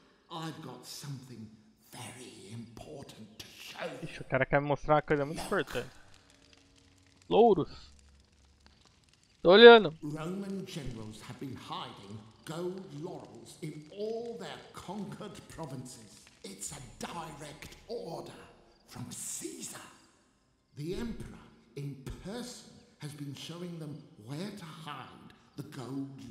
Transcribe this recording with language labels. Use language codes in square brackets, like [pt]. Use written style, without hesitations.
[en] I've got something very important to show. [pt] Ixi, o cara quer me mostrar uma coisa muito importante. Louros. Tô olhando. [en] Roman generals have been hiding gold laurels in all their conquered provinces. It's a direct order from Caesar. The Emperor, in person, has been showing them where to hide the gold.